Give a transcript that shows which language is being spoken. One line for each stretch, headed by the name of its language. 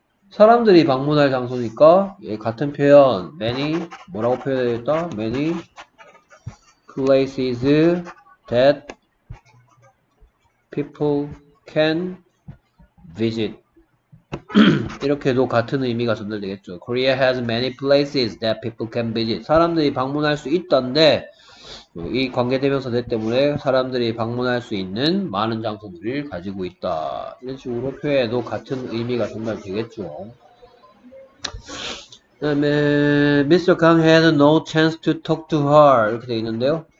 Korean: 사람들이 방문할 장소니까 얘 같은 표현 many 뭐라고 표현해야겠다?
English: many places that people can visit.
Korean: 이렇게도 같은 의미가 전달되겠죠.
English: Korea has many places that people can visit.
Korean: 사람들이 방문할 수 있던데, 이 관계대명사 대 때문에 사람들이 방문할 수 있는 많은 장소들을 가지고 있다. 이런 식으로 표현해도 같은 의미가 전달되겠죠. 그 다음에,
English: Mr. Kang had no chance to talk to her.
Korean: 이렇게 되어 있는데요.